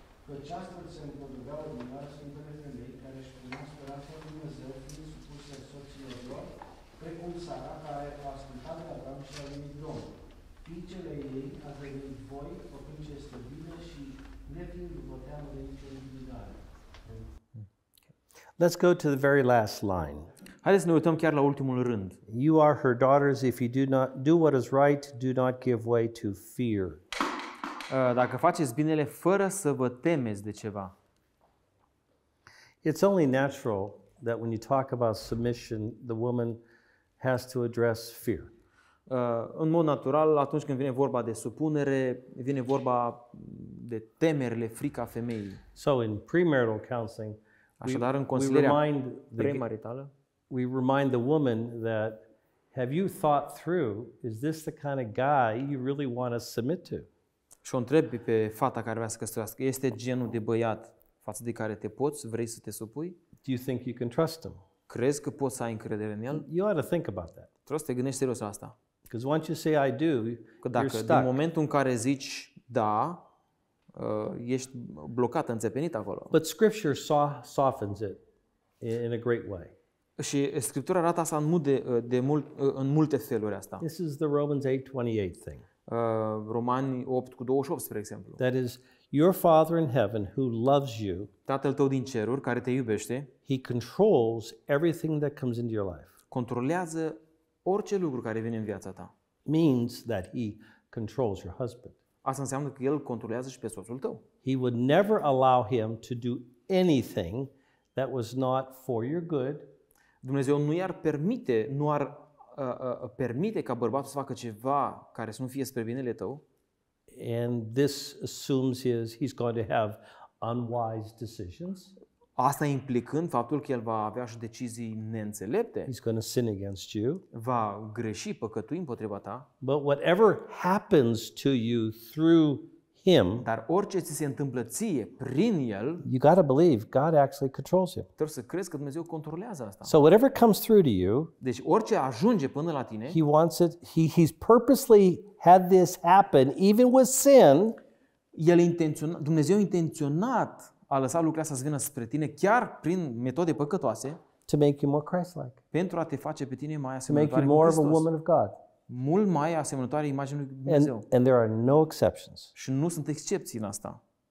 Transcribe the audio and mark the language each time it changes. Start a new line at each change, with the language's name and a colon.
Romanian: Căci astfel se împotriveau ordinare Sfintele Femei, care își punea speranța lui Dumnezeu fiind supuse soților lor, precum Sara, care a ascultat de Adam și a venit Domnul. Fiicele ei a devenit voi, făcând ce este bine și nefiind vă teamă de nicio intimidare.
English: Let's go to the very last line.
Romanian: Haideți să ne uităm chiar la ultimul rând.
English: You are her daughters if you do not do what is right, do not give way to fear.
Romanian: Dacă faceți binele fără să vă temeți de ceva.
English: It's only natural that when you talk about submission, the woman has to address fear.
Romanian: În mod natural, atunci când vine vorba de supunere, vine vorba de temerile, frica femeii.
English: So in premarital counseling,
Romanian: așadar, în consilierea premaritală,
English: we remind the woman that have you thought through, is this the kind of guy you really want to submit to?
Romanian: Și o întreb pe fata care vrea să căsătorească, este genul de băiat față de care te poți, vrei să te supui?
English: Do you think you can trust him?
Romanian: Crezi că poți să ai încredere în el?
English: You ought to think about that.
Romanian: Trebuie să te gândești serios la asta.
English: Because once you say I do,
Romanian: că dacă
English: you're stuck.
Romanian: Din momentul în care zici da, ești blocat, înțepenit acolo.
English: But scripture softens it in a great way.
Romanian: Și Scriptura arată asta în multe feluri asta.
English: This is the Romans 8:28 thing.
Romanian: Romani 8:28, spre exemplu.
English: That is your Father in heaven who loves you.
Romanian: Tatăl tău din ceruri care te iubește.
English: He controls everything that comes into your life.
Romanian: Controlează orice lucru care vine în viața ta.
English: Means that he controls your husband.
Romanian: Asta înseamnă că el controlează și pe soțul tău.
English: He would never allow him to do anything that was not for your good.
Romanian: Dumnezeu nu i-ar permite, nu ar permite ca bărbatul să facă ceva care să nu fie spre binele tău.
English: And this assumes he's going to have unwise decisions.
Romanian: Asta implicând faptul că el va avea și decizii neînțelepte.
English: He's going to sin against you.
Romanian: Va greși, păcătui împotriva ta.
English: But whatever happens to you through him,
Romanian: dar orice ți se întâmplă ție prin el,
English: you got to believe God actually controls him.
Romanian: Trebuie să crezi că Dumnezeu controlează asta.
English: So whatever comes through to you,
Romanian: deci orice ajunge până la tine,
English: he wants it, he's purposely had this happen even with sin.
Romanian: El intenționat, Dumnezeu intenționat a lăsat lucrurile astea să vină spre tine chiar prin metode păcătoase,
English: to make you more Christ-like.
Romanian: Pentru a te face pe tine mai asemănătoare cu Hristos.
English: To make you more of a woman of God.
Romanian: Mult mai asemănătoare imaginii lui Dumnezeu.
English: And there are no exceptions.
Romanian: Și nu sunt excepții în asta.